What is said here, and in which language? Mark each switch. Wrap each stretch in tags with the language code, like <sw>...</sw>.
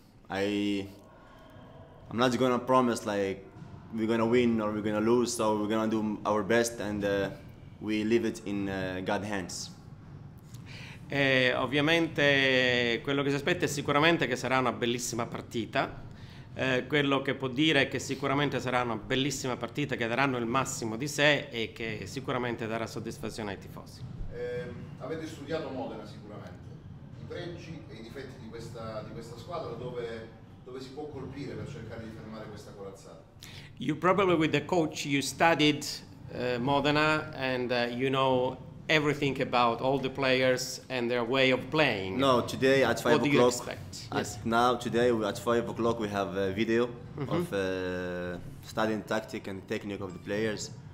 <en>I'm not gonna promise like we're gonna win or we're gonna lose. So we're gonna do our best and we leave it in God's hands.</en> <it>Ovviamente quello che si aspetta è sicuramente che sarà una bellissima partita. Quello che può dire è che sicuramente sarà una bellissima partita, che daranno il massimo di sé e che sicuramente darà soddisfazione ai tifosi. Avete studiato Modena sicuramente, i pregi e i difetti di questa squadra, dove si può colpire per cercare di fermare questa corazzata?</it> <en>You probably with the coach you studied Modena and you know everything about all the players and their way of playing. No, today at 5 what o'clock. Do you expect? Yes. Now, today at 5 o'clock, we have a video of studying tactic and technique of the players.</en>